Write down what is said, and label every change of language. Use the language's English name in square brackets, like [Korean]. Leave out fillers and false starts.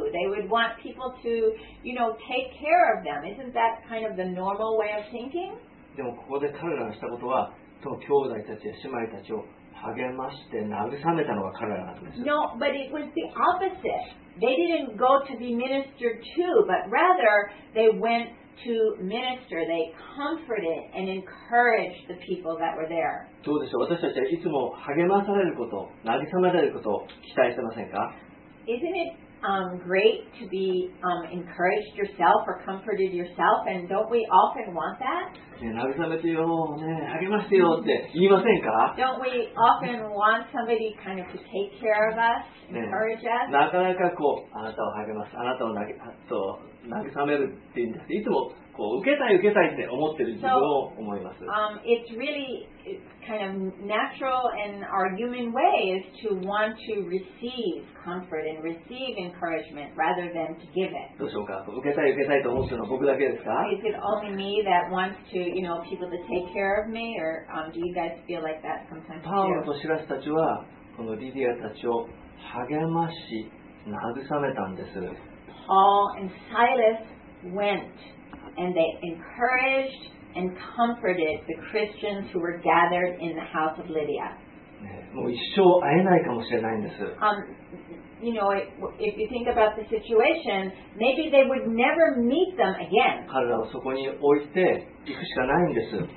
[English] They would want people to, you know, take care of them. Isn't that kind of the normal way of thinking? [Japanese] でもここで彼らがしたことは、その兄弟たちや姉妹たちを励まして慰めたのが彼らなんです。 [English] No, but it was the opposite. They didn't go to be ministered to, but rather they went to minister. They comforted and encouraged the people that were there. [Japanese] どうでしょう。私たちはいつも励まされること、慰められることを期待してませんか? [English] Isn't it great to be encouraged yourself or comforted yourself? And don't we often want that? [Japanese] 慰めてよ、ね、励ましてよって言いませんか [English] Don't we often want somebody kind of to take care of us, encourage us? [Japanese] なかなかこう、あなたを励ます、あなたを慰めるって言うんです。いつもこう受けたい受けたいって思ってる自分を思います。 [English] So, it's really kind of natural in our human way is to want to receive comfort and receive encouragement rather than to give it. [Japanese] どうしようか。受けたい受けたいと思ってるのは僕だけですか? [English] Is it only me that wants to, you know, people to take care of me? Or do you guys feel like that sometimes too? [Japanese] パウロとシラスたちはこのリディアたちを励まし慰めたんです。 [English] Paul and Silas went and they encouraged and comforted the Christians who were gathered in the house of Lydia. [Japanese] もう一生会えないかもしれないんです。 [English] You know, if you think about the situation, maybe they would never meet them again. [Japanese] 彼らをそこに置いて行くしかないんです。